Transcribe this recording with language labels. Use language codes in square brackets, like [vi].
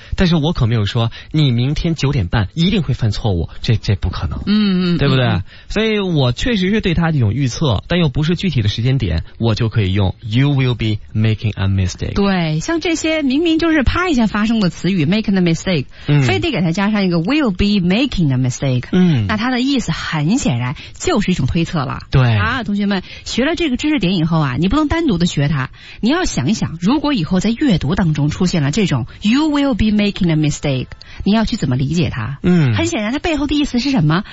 [zh] 但是我可没有说你明天九点半一定会犯错误，这不可能。嗯嗯，对不对、嗯、所以我确实是对他的一种预测，但又不是具体的时间点，我就可以用 [en] you will be making a mistake。 [zh] 对，像这些明明就是啪一下发生的词语 [en] making a mistake、 [zh] 嗯、非得给他加上一个 [en] will be making a mistake。 [zh] 嗯，那他的意思很显然就是一种推测了。对啊，同学们学了这个知识点以后啊，你不能单独的学他，你要想一想，如果以后在越阅读当中出现了这种 [en] You will be making a mistake， [zh] 你要去怎么理解它？嗯，很显然它背后的意思是什么？